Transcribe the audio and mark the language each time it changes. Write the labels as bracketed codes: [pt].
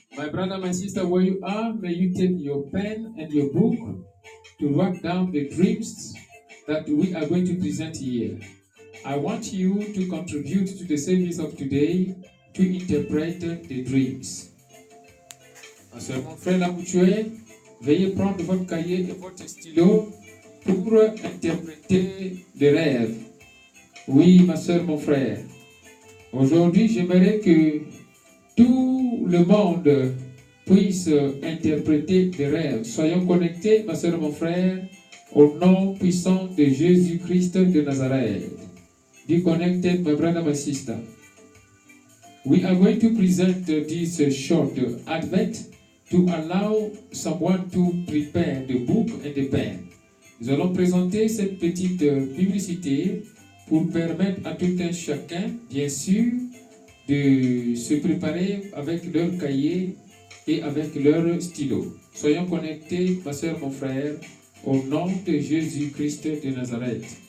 [en] brother, my sister, where you are, may you take your pen and your book to write down the dreams that we are going to present here. I want you to contribute to the service of today to interpret the dreams. [fr] Monsieur mon frère Lamoutué, veuillez prendre votre cahier et votre stylo pour interpréter les rêves. Oui, ma soeur, mon frère. Aujourd'hui, j'aimerais que tout le monde puisse interpréter les rêves. Soyons connectés, ma soeur, mon frère, au nom puissant de Jésus-Christ de Nazareth. [en] Be connected, my brother, my sister. We are going to present this short advent to allow someone to prepare the book and the pen. [fr] Nous allons présenter cette petite publicité pour permettre à tout un chacun, bien sûr, de se préparer avec leur cahier et avec leur stylo. Soyons connectés, ma soeur, mon frère, au nom de Jésus-Christ de Nazareth.